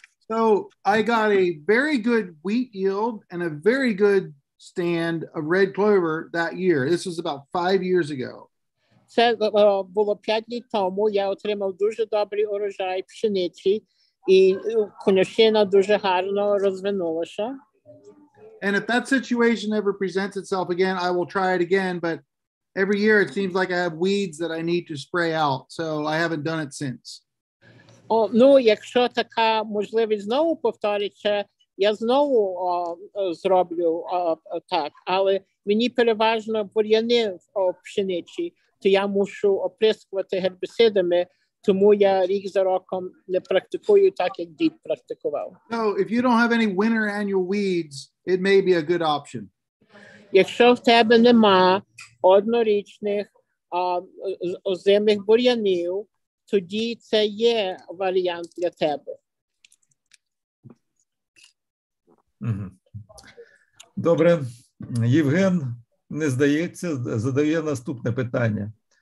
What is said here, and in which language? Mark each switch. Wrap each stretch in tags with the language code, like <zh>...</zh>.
<en>So I got a very good wheat yield and a very good stand of red clover that year. This was about 5 years ago.</en> <uk>Це було 5 літ тому. Я отримав дуже добрий урожай пшениці, і конюшина дуже гарно розвинулася.</uk> <en>And if that situation ever presents itself again, I will try it again, but every year it seems like I have weeds that I need to spray out, so I haven't done it since.</en> <uk>Ну, якщо така можливість знову повториться, я знову зроблю так. Але мені переважно бур'яни в пшениці, то я мушу оприскувати гербіцидами, тому я рік за роком не практикую так, як дід практикував.</uk> <en>So, if you don't have any winter annual weeds, it may be a good option.</en> <uk>Якщо в тебе нема однорічних озимих бур'янів, тоді це є варіант для тебе. Добре. Євген, не здається, задає наступне питання.</uk>